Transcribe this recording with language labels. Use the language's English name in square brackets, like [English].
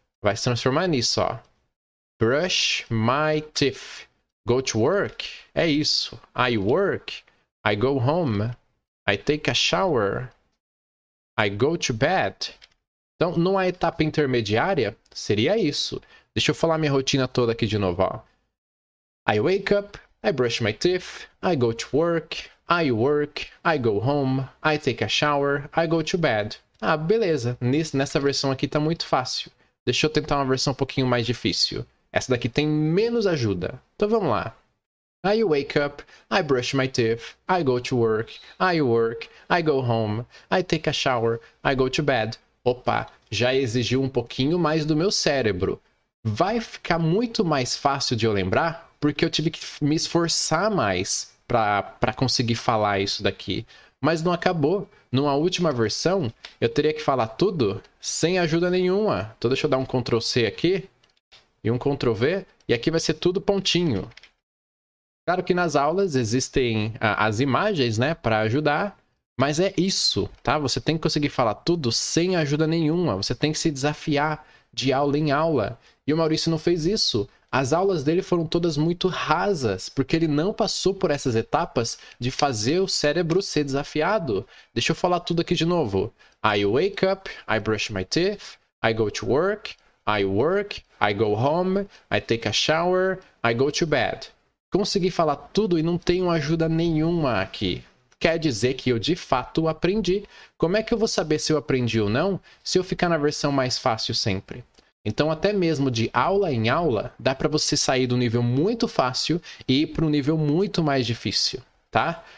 [Portuguese] Vai se transformar nisso, ó. [English] Brush my teeth. Go to work. [Portuguese] É isso. [English] I work. I go home. I take a shower. I go to bed. [Portuguese] Então, numa etapa intermediária, seria isso. Deixa eu falar minha rotina toda aqui de novo, ó. [English] I wake up, I brush my teeth, I go to work, I go home, I take a shower, I go to bed. [Portuguese] Ah, beleza. Nessa versão aqui tá muito fácil. Deixa eu tentar uma versão um pouquinho mais difícil. Essa daqui tem menos ajuda. Então, vamos lá. [English] I wake up, I brush my teeth, I go to work, I go home, I take a shower, I go to bed. [Portuguese] Opa, já exigiu um pouquinho mais do meu cérebro. Vai ficar muito mais fácil de eu lembrar, porque eu tive que me esforçar mais para conseguir falar isso daqui. Mas não acabou. Numa última versão, eu teria que falar tudo sem ajuda nenhuma. Então deixa eu dar um Ctrl C aqui e um Ctrl V, e aqui vai ser tudo pontinho. Claro que nas aulas existem as imagens, né, para ajudar, mas é isso, tá? Você tem que conseguir falar tudo sem ajuda nenhuma, você tem que se desafiar de aula em aula. E o Maurício não fez isso. As aulas dele foram todas muito rasas, porque ele não passou por essas etapas de fazer o cérebro ser desafiado. Deixa eu falar tudo aqui de novo. [English] I wake up, I brush my teeth, I go to work, I go home, I take a shower, I go to bed. [Portuguese] Consegui falar tudo e não tenho ajuda nenhuma aqui. Quer dizer que eu de fato aprendi. Como é que eu vou saber se eu aprendi ou não se eu ficar na versão mais fácil sempre? Então, até mesmo de aula em aula, dá para você sair do nível muito fácil e ir para um nível muito mais difícil, tá?